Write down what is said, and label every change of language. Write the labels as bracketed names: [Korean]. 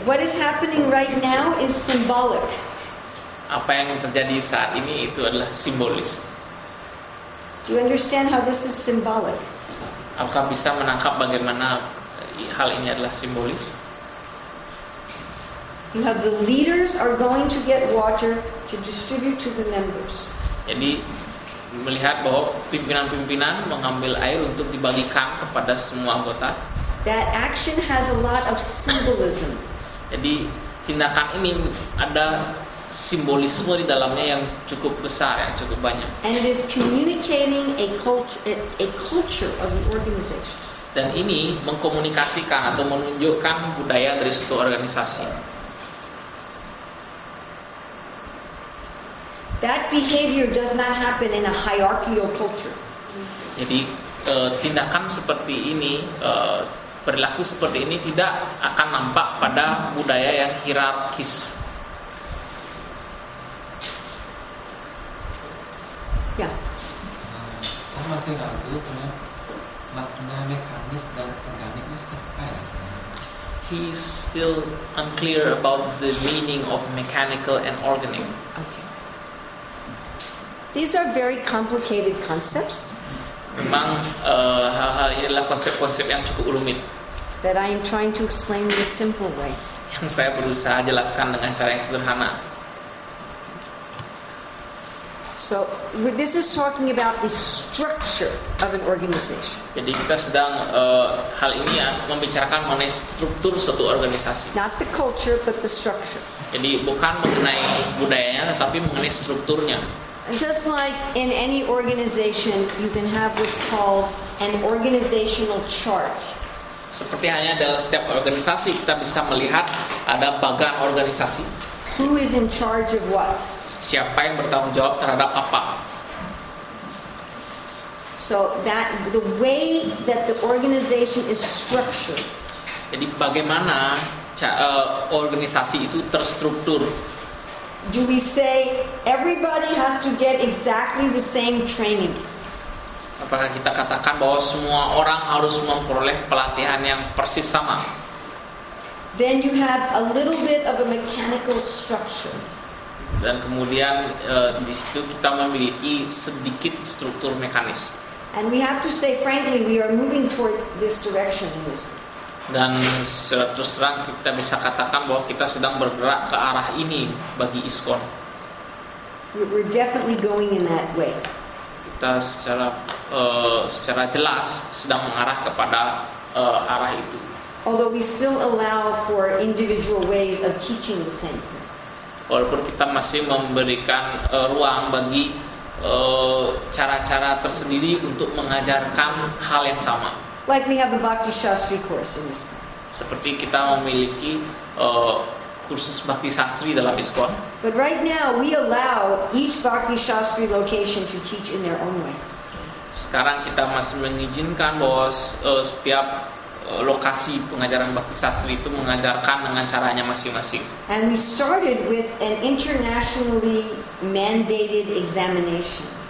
[English] What is happening right now is symbolic. [Indonesian] Apa yang terjadi saat ini itu adalah simbolis. [English] Do you understand how this is symbolic? [Indonesian] Apakah bisa menangkap bagaimana hal ini adalah simbolis? [English] You have the leaders are going to get water to distribute to the members. [Indonesian] Jadi melihat bahwa pimpinan-pimpinan mengambil air untuk dibagikan kepada semua anggota. [English] That action has a lot of symbolism. [Indonesian] Jadi tindakan ini ada simbolisme di dalamnya yang cukup besar, yang cukup banyak. [English] And it is communicating a culture of the organization. [Indonesian] Dan ini mengkomunikasikan atau menunjukkan budaya dari suatu organisasi. [English] That behavior does not happen in a hierarchical culture. [Indonesian] Jadi tindakan seperti ini, perilaku seperti ini tidak akan nampak pada budaya yang hierarkis. Ya. Saya masih nggak tahu sebenarnya makna mekanis dan organik itu apa ya. [English] He is still unclear about the meaning of mechanical and organic. These are very complicated concepts. [Indonesian] Memang hal-hal ini adalah konsep-konsep yang cukup rumit. [English] That I am trying to explain in a simple way. [Indonesian] Yang saya berusaha jelaskan dengan cara yang sederhana. [English] So this is talking about the structure of an organization. [Indonesian] Jadi kita sedang hal ini ya membicarakan mengenai struktur suatu organisasi. [English] Not the culture, but the structure. [Indonesian] Jadi bukan mengenai budayanya, tetapi mengenai strukturnya. [English] Just like in any organization, you can have what's called an organizational chart. [Indonesian] Seperti hanya dalam setiap organisasi kita bisa melihat ada bagan organisasi. [English] Who is in charge of what? [Indonesian] Siapa yang bertanggung jawab terhadap apa? [English] So that the way that the organization is structured. [Indonesian] Jadi bagaimana organisasi itu terstruktur? [English] Do we say everybody has to get exactly the same training? [Indonesian] apakah kita katakan bahwa semua orang harus memperoleh pelatihan yang persis sama? [English] Then you have a little bit of a mechanical structure. [Indonesian] Dan kemudian di situ kita memiliki sedikit struktur mekanis. [English] And we have to say frankly we are moving toward this direction. [Indonesian] Dan terus terang kita bisa katakan bahwa kita sedang bergerak ke arah ini bagi ISKCON. [English] We're definitely going in that way. [Indonesian] Kita secara secara jelas sedang mengarah kepada arah itu. [English] Although we still allow for individual ways of teaching the same. [Indonesian] Walaupun kita masih memberikan ruang bagi cara-cara tersendiri untuk mengajarkan hal yang sama. [English] Like we have a Bhakti Shastri course in this. [Indonesian] Seperti kita memiliki kursus Bhakti Shastri dalam ISKCON. [English] But right now we allow each Bhakti Shastri location to teach in their own way. [Indonesian] Sekarang kita masih mengizinkan bahwa setiap lokasi pengajaran Bhakti Shastri itu mengajarkan dengan caranya masing-masing. [English] And we started with an internationally mandated examination.